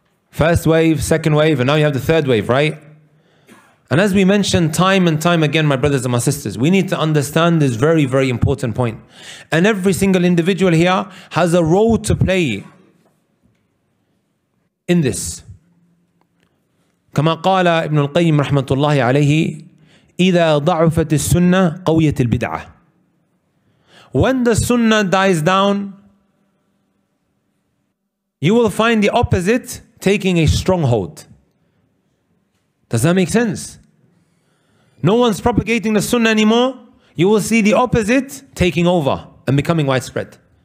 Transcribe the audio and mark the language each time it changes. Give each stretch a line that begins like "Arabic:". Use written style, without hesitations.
English: First wave, second wave, and now you have the third wave, right? And as we mentioned time and time again, my brothers and my sisters, we need to understand this very, very important point. And every single individual here has a role to play in this.
Arabic: كما قال ابن القيم رحمة الله عليه إذا ضعفت السنة قوية البدعة
English: When the Sunnah dies down, you will find the opposite taking a stronghold. Does that make sense? No one's propagating the Sunnah anymore. You will see the opposite taking over and becoming widespread.